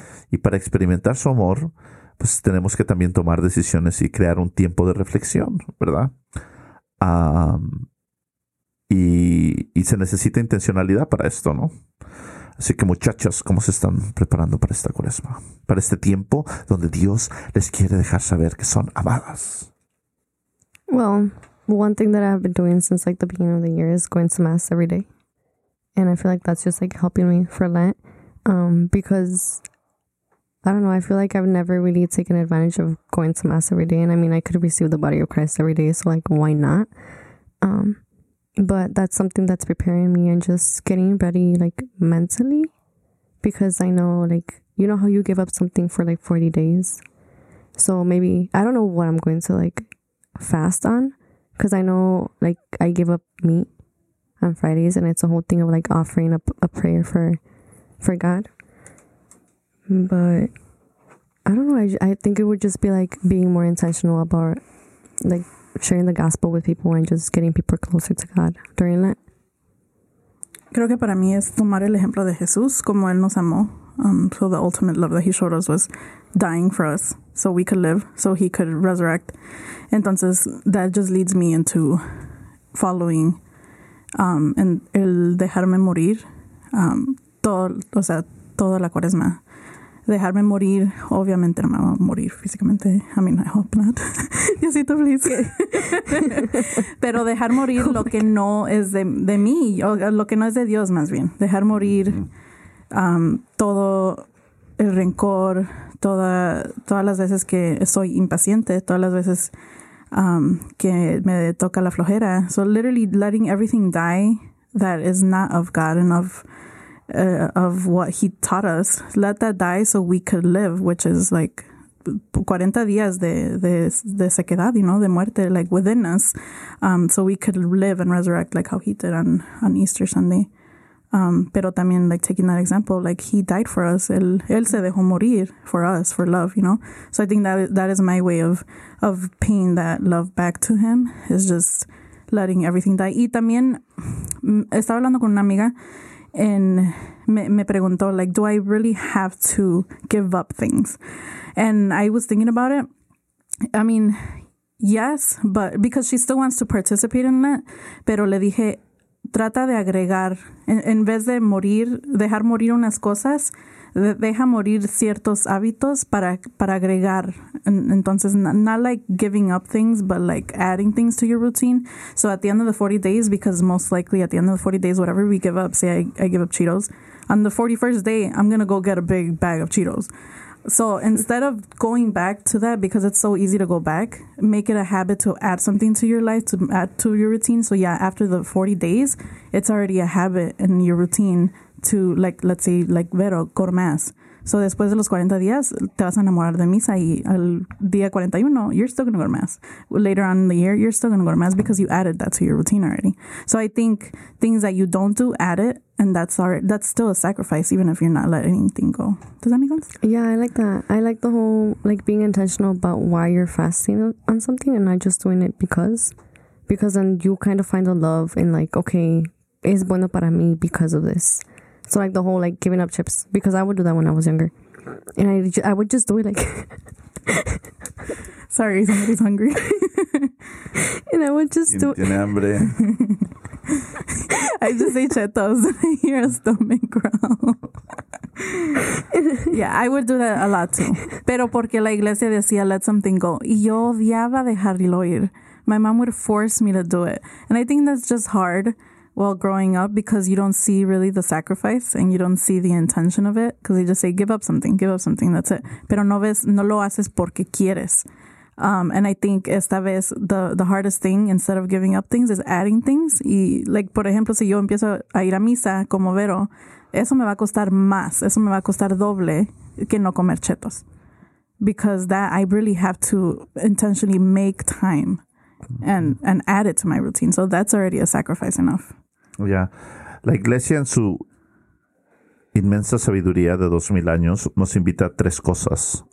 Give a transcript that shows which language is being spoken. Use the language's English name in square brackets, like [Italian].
[Spanish] Y para experimentar su amor, pues tenemos que también tomar decisiones y crear un tiempo de reflexión, ¿verdad? Y se necesita intencionalidad para esto, ¿no? Así que, muchachas, ¿cómo se están preparando para esta Cuaresma? Para este tiempo donde Dios les quiere dejar saber que son amadas. [English] Well, one thing that I've been doing since like the beginning of the year is going to Mass every day. And I feel like that's just like helping me for Lent. Because I don't know, I feel like I've never really taken advantage of going to Mass every day. And I mean, I could receive the body of Christ every day, so like, why not? But that's something that's preparing me and just getting ready, like, mentally. Because I know, like, you know how you give up something for, like, 40 days? So maybe, I don't know what I'm going to, like, fast on. Because I know, like, I give up meat on Fridays. And it's a whole thing of, like, offering up a prayer for God. But I don't know. I think it would just be, like, being more intentional about, like, sharing the gospel with people and just getting people closer to God during that. [Spanish] Creo que para mí es tomar el ejemplo de Jesús, como él nos amó. [English] So the ultimate love that he showed us was dying for us so we could live, so he could resurrect. [Spanish] Entonces, [English] that just leads me into following and [Spanish] el dejarme morir todo, o sea, toda la cuaresma. Dejarme morir, obviamente no me va a morir físicamente. [English] I mean, I hope not. [Spanish] Diosito, [English] please. [Spanish] Pero dejar morir lo que no es de mí, o lo que no es de Dios, más bien. Dejar morir todo el rencor, todas las veces que soy impaciente, todas las veces que me toca la flojera. [English] So literally letting everything die that is not of God and of what he taught us, let that die so we could live, which is like 40 [Spanish] días de sequedad, [English] you know, [Spanish] de muerte, [English] like within us, so we could live and resurrect like how he did on Easter Sunday. [Spanish] Pero también, [English] like taking that example, like he died for us, [Spanish] él se dejó morir [English] for us, for love, you know. So I think that is my way of paying that love back to him, is just letting everything die. [Spanish] Y también estaba hablando con una amiga. [English] And [Spanish] me preguntó, [English] like, do I really have to give up things? And I was thinking about it. I mean, yes, but because she still wants to participate in that. [Spanish] Pero le dije, trata de agregar, en vez de morir, dejar morir unas cosas, deja morir ciertos hábitos para agregar. Entonces, [English] not like giving up things, but like adding things to your routine. So at the end of the 40 days, because most likely at the end of the 40 days, whatever we give up, say I give up Cheetos, on the 41st day, I'm going to go get a big bag of Cheetos. So instead of going back to that, because it's so easy to go back, make it a habit to add something to your life, to add to your routine. So yeah, after the 40 days, it's already a habit in your routine to, like, let's say, like, [Spanish] ver [English] o go to Mass. [Spanish] So después de los 40 días, te vas a enamorar de misa y al día 41, [English] you're still going to go to Mass. Later on in the year, you're still going to go to Mass because you added that to your routine already. So I think things that you don't do, add it, and that's still a sacrifice, even if you're not letting anything go. Does that make sense? Yeah, I like that. I like the whole, like, being intentional about why you're fasting on something and not just doing it because then you kind of find a love in, like, okay, [Spanish] es bueno para mí [English] because of this. So, like, the whole, like, giving up chips. Because I would do that when I was younger. And I would just do it, like... Sorry, somebody's hungry. And I would just do it. [Spanish] Tiene hambre. [English] I just say chetos. And I hear a stomach growl. Yeah, I would do that a lot, too. [Spanish] Pero porque la iglesia decía, [English] let something go. [Spanish] Y yo odiaba dejarlo ir. [English] My mom would force me to do it. And I think that's just hard. Well, growing up, because you don't see really the sacrifice and you don't see the intention of it, because they just say, give up something, that's it. [Spanish] Pero no ves, no lo haces porque quieres. [English] And I think [Spanish] esta vez [English] the hardest thing, instead of giving up things, is adding things. [Spanish] Y, like, por ejemplo, si yo empiezo a ir a misa como Vero, eso me va a costar más, eso me va a costar doble que no comer chetos. [English] Because that I really have to intentionally make time. And add it to my routine. So that's already a sacrifice enough. Yeah. [Spanish] La iglesia en su inmensa sabiduría de 2,000 años nos invita a tres cosas.